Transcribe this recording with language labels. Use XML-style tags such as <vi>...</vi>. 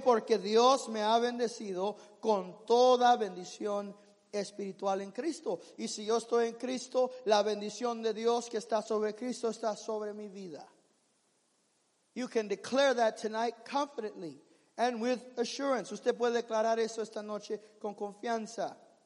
<es>Porque Dios me ha bendecido con toda bendición espiritual en Cristo. Y si yo estoy en Cristo, la bendición de Dios que está sobre Cristo está sobre mi vida.</es> <en>You can declare that tonight confidently and with assurance.</en> <es>Usted puede declarar eso esta noche con confianza.</es>